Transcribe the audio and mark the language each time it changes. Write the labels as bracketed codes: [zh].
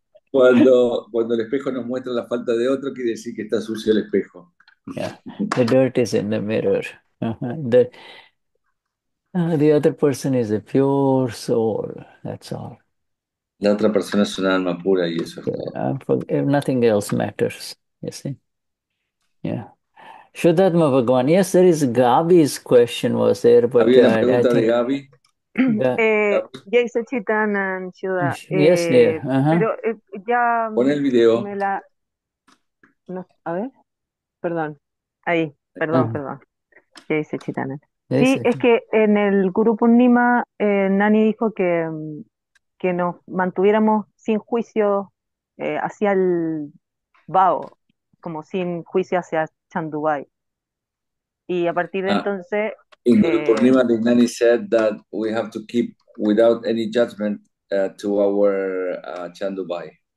[es] cuando el espejo nos muestra la falta de otro, quiere decir que está sucio el espejo. [en] Yeah, the dirt is in the mirror. The other person is a pure soul, that's all. [es] La otra persona es un alma pura y eso es todo. [en] Nothing else matters, you see. Yeah. Shuddhatma Bhagwan, yes, there is Gabi's question was there. But, [es] ¿había la pregunta de Gabi? Gabi. [en] Yes, Chitanan, Shuddha. Yes, dear. [es] Pero, ya pon el video. No, a ver, perdón. Ahí, perdón, perdón. Yes, Chitanan. Sí, es que en el Guru Purnima Nani dijo que nos mantuviéramos sin juicio hacia el Bao, como sin juicio hacia Chandubai. Y a partir de entonces, [en] in Guru Purnima the Nani said that we have to keep without any judgment to our Chandubai.